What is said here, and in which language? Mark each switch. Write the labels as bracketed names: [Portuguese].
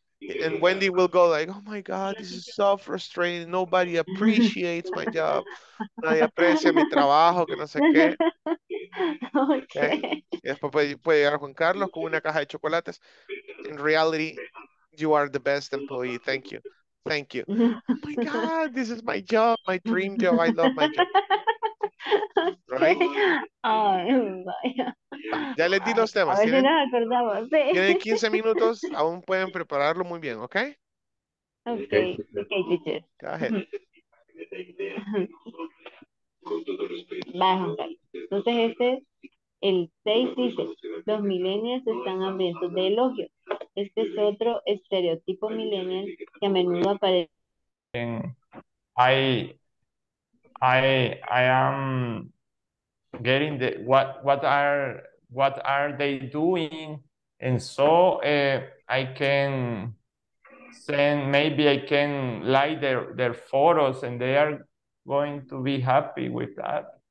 [English] And Wendy will go like, oh my God, this is so frustrating. Nobody appreciates my job. [Spanish] Nadie aprecia mi trabajo, que no sé qué. [English] Okay. [Spanish] Y después puede llegar Juan Carlos con una caja de chocolates. [English] In reality, you are the best employee. Thank you. Thank you. Oh my God, this is my job, my dream job. I love my job. Okay. Right? Oh, yeah. [Spanish] Ya les di los temas. A ver si nos acordamos. Sí. Tienen 15 minutos, aún pueden prepararlo muy bien, ¿ok? [English] Ok, teacher. [Spanish] Bajan. Entonces este es el 6, dice, los millennials están hambrientos de elogio. Este es otro estereotipo millennial que a menudo aparece. [English] I am getting the what are they doing, and so I can send, maybe I can like their photos and they are going to be happy with that.